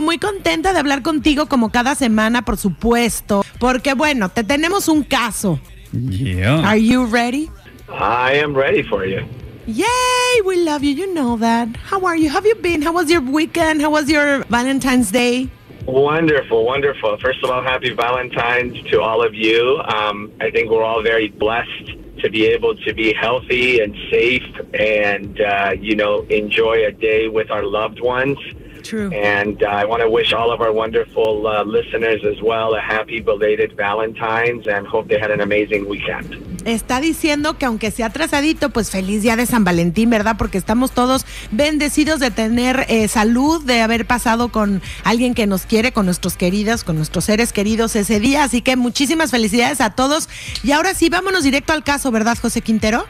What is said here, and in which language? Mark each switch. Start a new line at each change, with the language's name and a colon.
Spanish: Muy contenta de hablar contigo como cada semana, por supuesto. Porque, bueno, te tenemos un caso.
English: Yeah. Are you ready? I am ready for you. Yay, we love you. You know that. How are you? How have you been? How was your weekend? How was your Valentine's Day? Wonderful, wonderful. First of all, happy Valentine's to all of you. I think we're all very blessed to be able to be healthy and safe and, you know, enjoy a day with our loved ones. True. And I want to wish all of our wonderful listeners as well a happy belated Valentine's and hope they had an amazing weekend.
Spanish: Está diciendo que aunque sea atrasadito, pues feliz día de San Valentín, ¿verdad? Porque estamos todos bendecidos de tener salud, de haber pasado con alguien que nos quiere, con nuestros queridos, con nuestros seres queridos ese día. Así que muchísimas felicidades a todos. Y ahora sí, vámonos directo al caso, ¿verdad, José Quintero?